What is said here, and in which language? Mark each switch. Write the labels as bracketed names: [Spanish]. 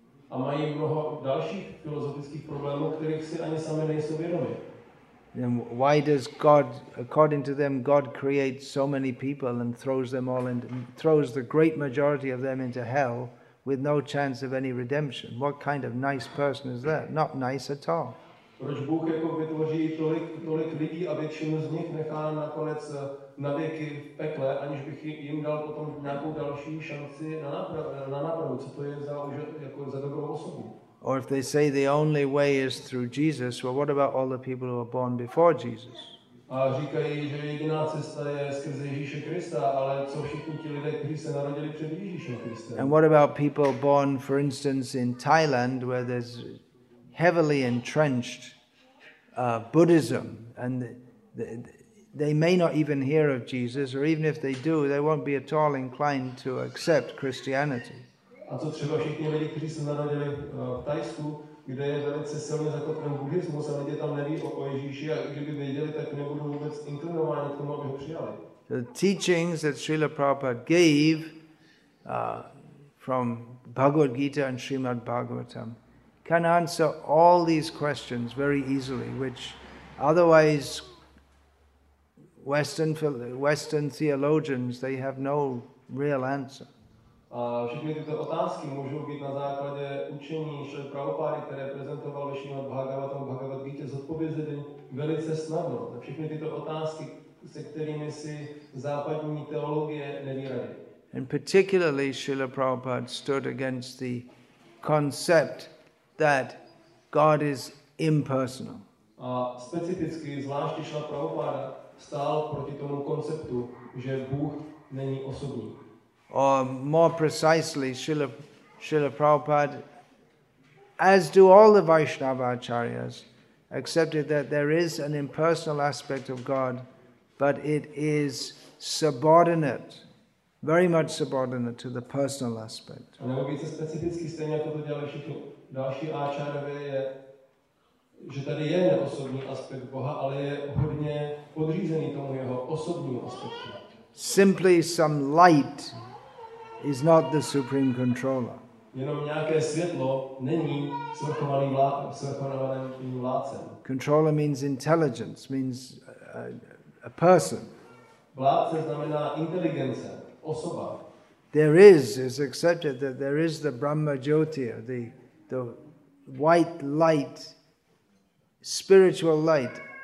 [Czech] A mají mnoho dalších filozofických problémů, kterých si ani sami nejsou vědomi. [English] Then why does God, according to them, God creates so many people and throws the great majority of them into hell with no chance of any redemption? What kind of nice person is that? Not nice at all. [Czech] Proč Bůh jako vytvoří tolik lidí a většinu z nich nechá nakonec na věky v pekle, aniž bych jim dal potom nějakou další šanci na napravu, co to je za dobrou osobu? [English] Or if they say the only way is through Jesus, well, what about all the people who were born before Jesus? [Czech] A říkají, že jediná cesta je skrze Ježíše Krista, ale co všichni ti lidé, kteří se narodili před Ježíšem Kristem? [English] And what about people born, for instance, in Thailand, where there's heavily entrenched Buddhism, and they may not even hear of Jesus, or even if they do, they won't be at all inclined to accept Christianity. [Czech] A co třeba všichni lidi, kteří se narodili v Thajsku, kde je velice silně zakotven buddhismus a lidi tam neví o Ježíši a kdyby věděli, tak nebudou vůbec inklinováni k tomu, aby ho přijali. [English] the teachings that Srila Prabhupada gave from Bhagavad Gita and Srimad Bhagavatam can answer all these questions very easily, which otherwise Western theologians, they have no real answer. [Czech] A všechny tyto otázky můžou být na základě učení Šri Prabhupády, které prezentoval ve Šrimad Bhagavatam, Bhagavad Gita, zodpovězeny velice snadno. A všechny tyto otázky, se kterými si západní teologie neví rady. [English] And particularly Srila Prabhupada stood against the concept that God is impersonal. [Czech] A specificky zvláště Srila Prabhupada stál proti tomu konceptu, že Bůh není osobní. [English] Or more precisely, Srila Prabhupada, as do all the Vaishnava Acharyas, accepted that there is an impersonal aspect of God, but it is subordinate, very much subordinate to the personal aspect. [Czech] A nebo více specificky, stejně jako to dělali všichni další Acharyové, že tady je neosobní aspekt Boha, ale je hodně podřízený tomu jeho osobnímu aspektu. [English] Simply some light is not the supreme controller. [Czech] Jenom nějaké světlo není svrchovaným vládcem. [English] Controller means intelligence, means a person. [Czech] Vládce znamená inteligence, osoba. [English] There is, it's accepted that there is the Brahma Jyotir, the white light, spiritual light.